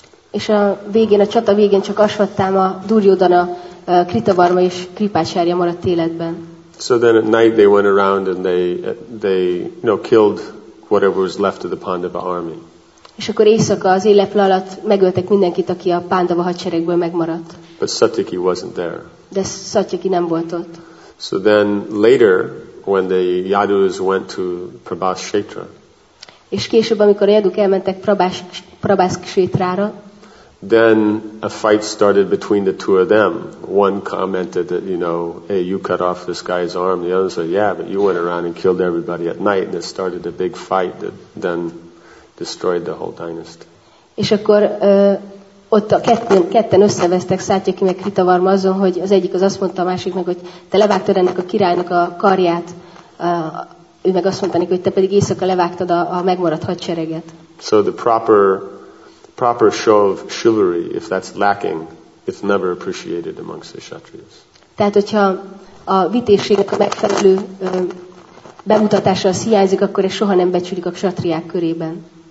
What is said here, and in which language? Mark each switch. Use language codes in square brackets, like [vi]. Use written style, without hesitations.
[hu] És a végén, a csata végén csak Ashwatthama, Duryodhana, Kritavarma és Kripacharya maradt életben. [en] So then at night they went around and they you know, killed whatever was left of the Pandava army. [hu] És akkor éjszaka az éleple alatt megöltek mindenkit, aki a Pándava hadseregből megmaradt. [en] But Satyaki wasn't there. [hu] De Satyaki nem volt ott. [en] So then later, when the Yadus went to Prabhaskshetra. [hu] És később, amikor a Yaduk elmentek Prabhaskshetrára. [en] Then a fight started between the two of them. One commented that, you know, hey, you cut off this guy's arm. The other said, yeah, but you went around and killed everybody at night. And it started a big fight that then destroyed the whole dynasty. [hu] És akkor ott a ketten összevesztek Szátyaki meg Kritavarma azon, hogy az egyik az azt mondta a másiknak, hogy te levágtad ennek a királynak a karját, ő meg azt mondta neki, hogy te pedig éjszaka levágtad a megmaradt hadsereget. [en] So the proper show of chivalry, if that's lacking, it's never appreciated amongst the Kshatriyas. [hu] Tehát, hogyha a vitézségnek a megfelelő bemutatása az hiányzik, akkor ez soha nem becsülik a Kshatriyák körében.